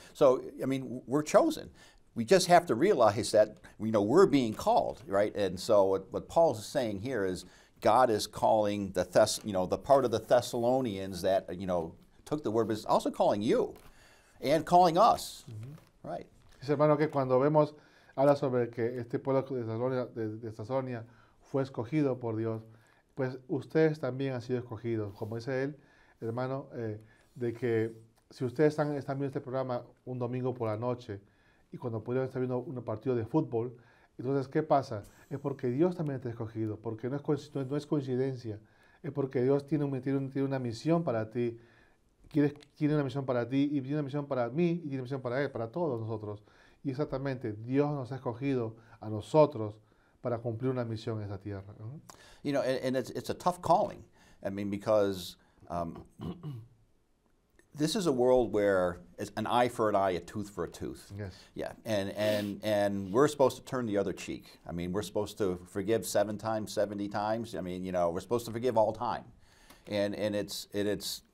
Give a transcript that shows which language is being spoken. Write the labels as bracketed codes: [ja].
[en] So, I mean, we're chosen. We just have to realize that, you know, we're being called, right? And so what Paul's saying here is God is calling the part of the Thessalonians that, you know, took the word, but is also calling you and calling us, mm-hmm. Right? [es] Dice, hermano, que cuando vemos, habla sobre que este pueblo de Sazonia fue escogido por Dios, pues ustedes también han sido escogidos. Como dice él, hermano, de que si ustedes están viendo este programa un domingo por la noche y cuando pudieron estar viendo un partido de fútbol, entonces, ¿qué pasa? Es porque Dios también te ha escogido, porque no es coincidencia, es porque Dios tiene una misión para ti, quiere, tiene una misión para ti y tiene una misión para mí y tiene una misión para él, para todos nosotros. Y exactamente, Dios nos ha escogido a nosotros para cumplir una misión en esa tierra. [en] You know, and it's a tough calling. I mean, because this is a world where it's an eye for an eye, a tooth for a tooth. Yes. Yeah. And we're supposed to turn the other cheek. I mean, we're supposed to forgive 7 times, 70 times. I mean, you know, we're supposed to forgive all time. And it's.